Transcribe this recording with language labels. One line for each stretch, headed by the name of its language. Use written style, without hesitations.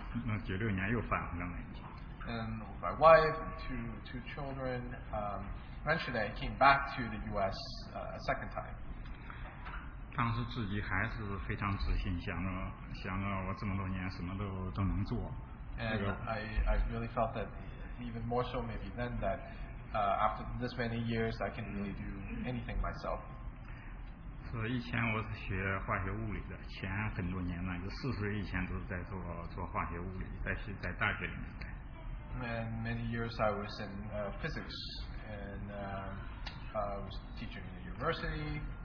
Chinese: 因为我们家庭的原因，我太太不愿意回去，还有两个孩子。后来呢，我们又这个就又从国呢又第二次又来到了美国。那96年又返回了美国。
English: And my wife and two children eventually I came back to the U.S. A second time.
Chinese: 当时自己还是非常自信，想着我这么多年什么都能做。
English: And I really felt that even more so maybe then that. After this many years, I can really do anything myself.
Chinese: 所以以前我是学化学物理的，前很多年呢，就40岁以前都是在做化学物理，在大学里面。
English: And many years I was in physics, and I was teaching in the university.